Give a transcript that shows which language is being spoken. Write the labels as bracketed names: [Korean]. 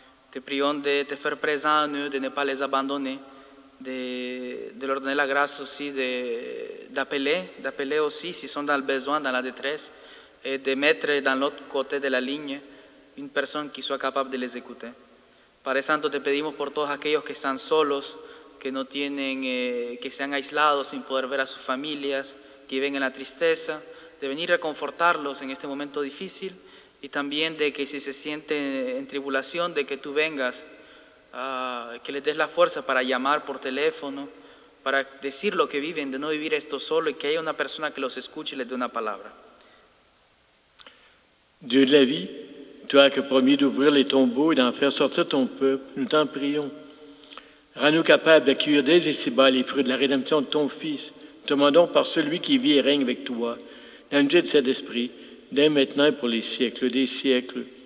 [French] Te prions de te faire présent à eux, de ne pas les abandonner, de leur donner la grâce aussi, d'appeler aussi s'ils sont dans le besoin, dans la détresse, et de mettre dans l'autre côté de la ligne une personne qui soit capable de les écouter. [Spanish] Padre Santo, te pedimos por todos aquellos que están solos, que no tienen, que se han aislado sin poder ver a sus familias, que viven en la tristeza, de venir a reconfortarlos en este momento difícil y también de que si se sienten en tribulación, de que tú vengas, que les des la fuerza para llamar por teléfono, para decir lo que viven, de no vivir esto solo y que haya una persona que los escuche y les dé una palabra. Dios de la vida. [French] Toi qui as promis d'ouvrir les tombeaux et d'en faire sortir ton peuple, nous t'en prions. Rends-nous capables d'accueillir dès ici-bas les fruits de la rédemption de ton Fils. Nous te demandons par celui qui vit et règne avec toi, l'indulgence de cet esprit, dès maintenant et pour les siècles des siècles.